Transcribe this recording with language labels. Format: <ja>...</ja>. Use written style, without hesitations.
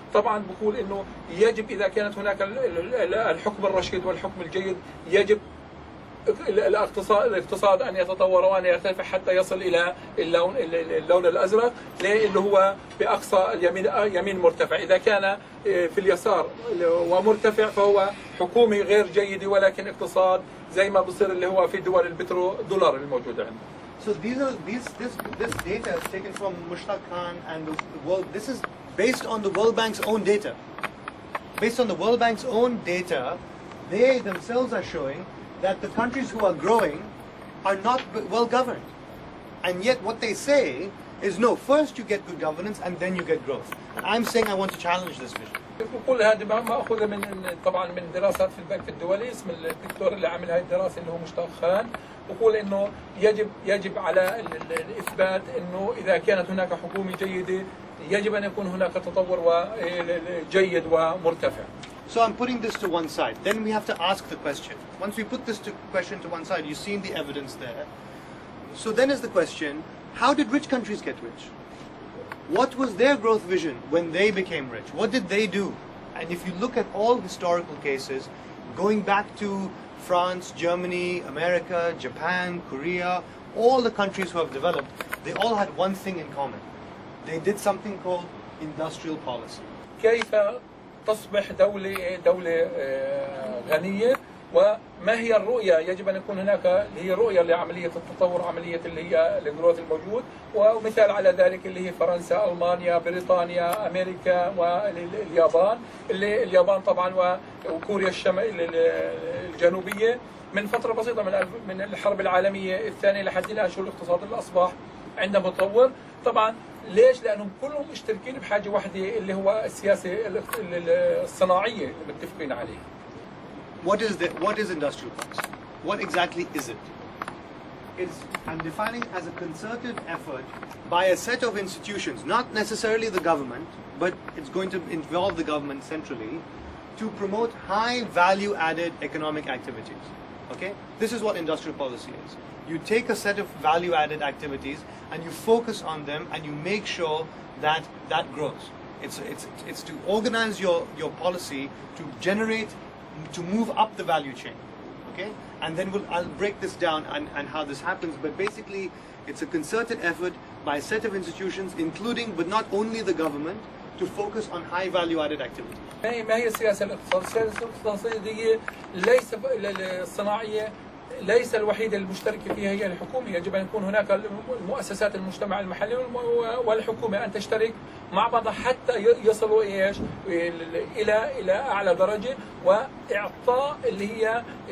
<ar>طبعا بقول انه يجب اذا كانت هناك الحكم الرشيد والحكم الجيد يجب الاقتصاد ان يتطور وان يرتفع حتى يصل الى اللون الأزرق اللي هو باقصى اليمين يمين مرتفع، اذا كان في اليسار ومرتفع فهو حكومي غير جيد ولكن اقتصاد زي ما بصير اللي هو في دول البترو دولار الموجودة عندنا.</ar> <en>So this data is taken from Mushtaq Khan and the world. This is based on the World Bank's own data. Based on the World Bank's own data, they themselves are showing that the countries who are growing are not well governed. And yet what they say is no, first you get good governance and then you get growth. And I'm saying I want to challenge this vision.</en> <ar>بقول هذا ما أخذه من دراسات في البنك الدولي، اسم الدكتور اللي عمل هاي الدراسة اللي هو مشتاق خان، بقول إنه يجب على الإثبات إنه إذا كانت هناك حكومة جيدة يجب أن يكون هناك تطور جيد ومرتفع.</ar> <en>So I'm putting this to one side. Then we have to ask the question. Once we put this question to one side, you've seen the evidence there. So then is the question, how did rich countries get rich? What was their growth vision when they became rich? What did they do? And if you look at all historical cases, going back to France, Germany, America, Japan, Korea, all the countries who have developed, they all had one thing in common. They did something called industrial policy.</en> <ar>كيف تصبح دولة غنية، وما هي الرؤية؟ يجب أن يكون هناك هي رؤية لعملية التطور، عملية اللي هي الجروث الموجود، ومثال على ذلك اللي هي فرنسا، ألمانيا، بريطانيا، أمريكا، واليابان، اللي اليابان طبعاً وكوريا الجنوبية من فترة بسيطة من الحرب العالمية الثانية لحد الآن شو الاقتصاد اللي أصبح عند متطور. طبعاً ليش؟ لأنهم كلهم مشتركين بحاجة واحدة اللي هو السياسة الصناعية اللي متفقين عليه.</ar> <en>What is industrial policy? What exactly is it? I'm defining as a concerted effort by a set of institutions, not necessarily the government, but it's going to involve the government centrally, to promote high value-added economic activities. Okay? This is what industrial policy is. You take a set of value-added activities and you focus on them and you make sure that that grows. It's to organize your policy to generate, to move up the value chain, okay? And then I'll break this down and how this happens, but basically it's a concerted effort by a set of institutions, including but not only the government, to focus on high value added activity.</en> <ar>ما هي السياسة الاقتصادية؟ السياسة الاقتصادية ليس الصناعية ليس الوحيدة المشتركة فيها هي الحكومة، يجب أن يكون هناك المؤسسات المجتمع المحلي والحكومة أن تشترك مع بعض حتى يصلوا إيش إلى أعلى درجة، وإعطاء اللي هي</ar>